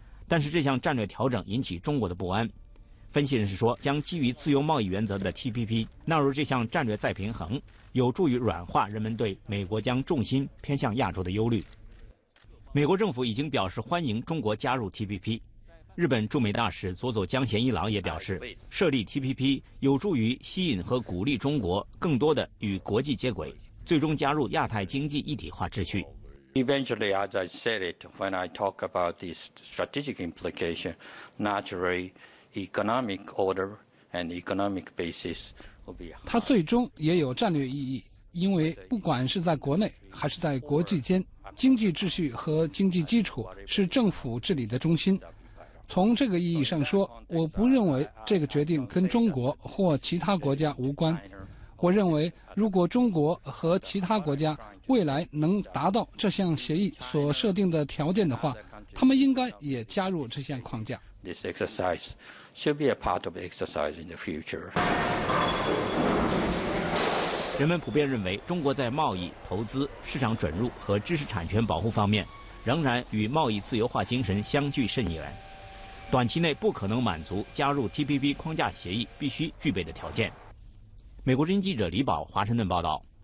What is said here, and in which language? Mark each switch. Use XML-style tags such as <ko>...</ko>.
<zh>但是这项战略调整引起中国的不安。分析人士说，将基于自由贸易原则的 TPP 纳入这项战略再平衡，有助于软化人们对美国将重心偏向亚洲的忧虑。美国政府已经表示欢迎中国加入 TPP。日本驻美大使佐佐江贤一郎也表示，设立 TPP 有助于吸引和鼓励中国更多的与国际接轨，最终加入亚太经济一体化秩序。</zh> <en>Eventually, as I said it, when I talk about this strategic implication, naturally, economic order and economic basis will be.</en> <zh>它最终也有战略意义，因为不管是在国内还是在国际间，经济秩序和经济基础是政府治理的中心。从这个意义上说，我不认为这个决定跟中国或其他国家无关。我认为，如果中国和其他国家未来能达到这项协议所设定的条件的话，他们应该也加入这项框架。</zh> <en>This exercise should be a part of exercise in the future.</en> <zh>人们普遍认为，中国在贸易、投资、市场准入和知识产权保护方面，仍然与贸易自由化精神相距甚远，短期内不可能满足加入 TPP 框架协议必须具备的条件。美国之音记者李宝华盛顿报道。</zh>